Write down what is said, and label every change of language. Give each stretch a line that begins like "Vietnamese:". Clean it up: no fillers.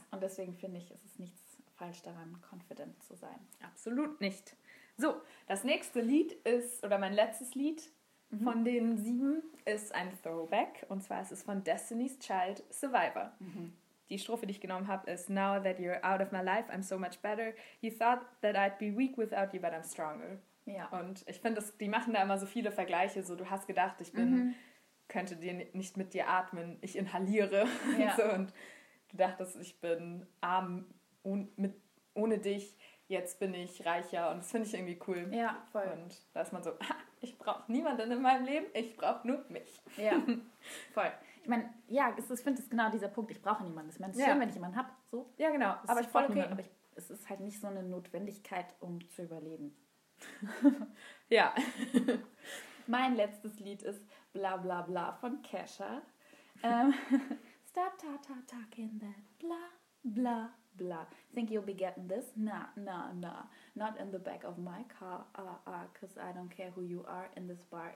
German: Und deswegen finde ich, es ist nichts falsch daran, confident zu sein. Absolut nicht. So, das nächste Lied ist, oder mein letztes Lied von den sieben, ist ein Throwback. Und zwar ist es von Destiny's Child, Survivor.
English: Mhm.
German: Die Strophe, die ich genommen habe, ist
English: Now that you're out of my life, I'm so much better. You thought that I'd be weak without you, but I'm stronger.
German: Ja. Und ich finde, die machen da immer so viele Vergleiche. So, du hast gedacht, ich bin, könnte dir nicht mit dir atmen, ich inhaliere. Ja. So, und du dachtest, ich bin arm ohne dich, jetzt bin ich reicher. Und das finde ich irgendwie cool. Ja, voll. Und da ist man so, ich brauche niemanden in meinem Leben, ich brauche nur mich. Ja, voll. Ich meine, ja, ich finde es genau dieser Punkt, ich brauche niemanden. Ich meine, es ist schön, wenn ich jemanden habe. So. Ja, genau. Aber ich brauche niemanden. Aber es ist halt nicht so eine Notwendigkeit, um zu überleben. Ja. Mein letztes Lied ist Bla Bla Bla von Kesha.
English: Stop talking that Bla Bla Bla. Think you'll be getting this? Nah, nah, nah. Not in the back of my car. Cause I don't care who you are in this bar.